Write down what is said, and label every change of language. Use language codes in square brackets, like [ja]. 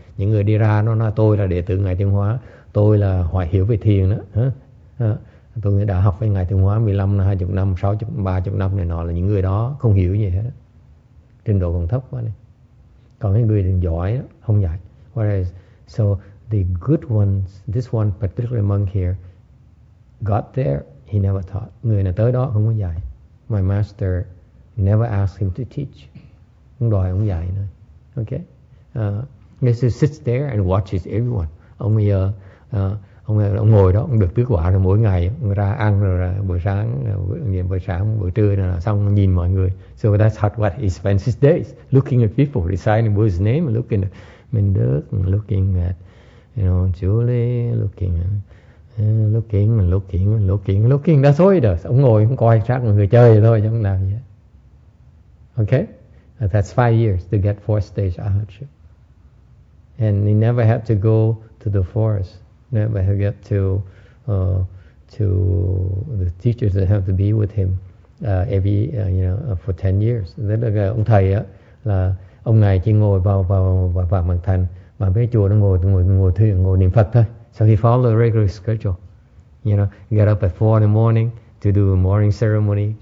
[vi] Những người đi ra nó nói tôi là đệ tử ngài Tiến Hóa, tôi là hoài hiểu về thiền đó. Tôi đã học với ngài Tiến Hóa 15 năm, 20 năm, 60, 30 năm này nọ, là những người đó không hiểu gì hết. Trình độ còn thấp quá này. Còn cái người giỏi đó, không dạy. [en] Whereas, so the good ones, this one particular monk here, got there, he never taught. [vi] Người này tới đó không có dạy. [en] My master never asked him to teach. [vi] Không đòi ông dạy nữa. [en] Okay? He just sits there and watches everyone. [vi] Ông bây giờ... Ông ngồi đó, ông được tứ quả rồi mỗi ngày, ông ra ăn rồi buổi trưa rồi xong nhìn mọi người. [en] So that's what he spends his days, looking at people, reciting Buddha's name, looking at Minh Đức, looking at, you know, Julie, looking, that's all he does. [vi] Ông ngồi, ông coi sát người chơi thôi, chứ không làm gì hết. [en] Okay? That's 5 years to get fourth stage arahatship. And you never have to go to the forest. Never have to get to the teachers that have to be with him every you know for 10 years. [vi] Thế là cái ông thầy á là ông này chỉ ngồi vào bằng thành mà mấy chùa nó ngồi thiền ngồi niệm Phật thôi. [en] So he followed the regular schedule. You know, get up at 4 in the morning to do a morning ceremony.